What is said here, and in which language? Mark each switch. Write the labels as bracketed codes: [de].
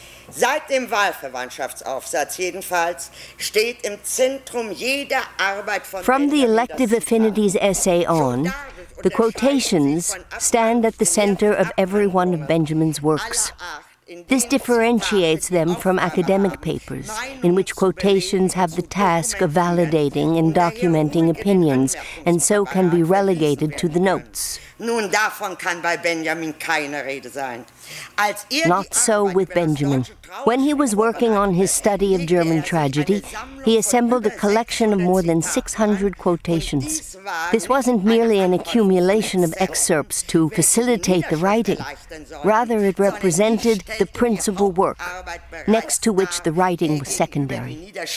[de] Seit dem Wahlverwandtschaftsaufsatz jedenfalls steht im Zentrum jeder Arbeit von [en] From the Elective Affinities essay on, the quotations stand at the center of every one of Benjamin's works. This differentiates them from academic papers, in which quotations have the task of validating and documenting opinions, and so can be relegated to the notes. [de] Nun, davon kann bei Benjamin keine Rede sein. [en] Not so with Benjamin. When he was working on his study of German tragedy, he assembled a collection of more than 600 quotations. This wasn't merely an accumulation of excerpts to facilitate the writing. Rather, it represented the principal work, next to which the writing was secondary.